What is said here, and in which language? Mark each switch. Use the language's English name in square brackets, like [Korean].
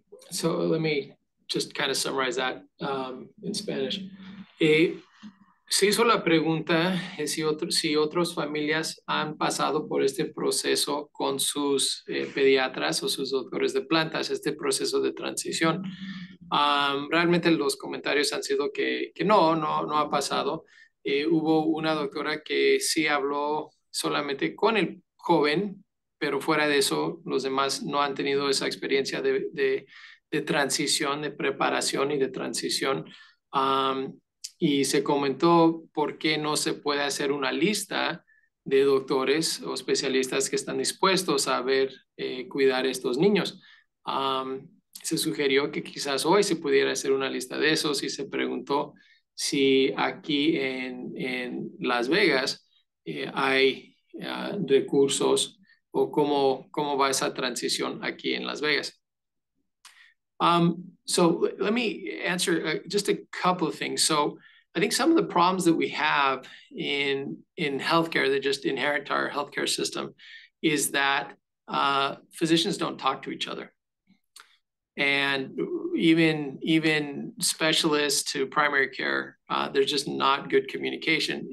[English] So let me just kind of summarize that in Spanish. [Spanish] Se hizo la pregunta si otras familias han pasado por este proceso con sus pediatras o sus doctores de plantas, este proceso de transición. Realmente los comentarios han sido que no ha pasado. Hubo una doctora que sí habló solamente con el joven, pero fuera de eso, los demás no han tenido esa experiencia de transición, de preparación y de transición. Y se comentó por qué no se puede hacer una lista de doctores o especialistas que están dispuestos a ver cuidar a estos niños. Se sugirió que quizás hoy se pudiera hacer una lista de esos y se preguntó si aquí en Las Vegas hay recursos o cómo va esa transición aquí en Las Vegas. [English] So let me answer just a couple of things. So I think some of the problems that we have in healthcare that just inherit our healthcare system is that physicians don't talk to each other. And even specialists to primary care, there's just not good communication.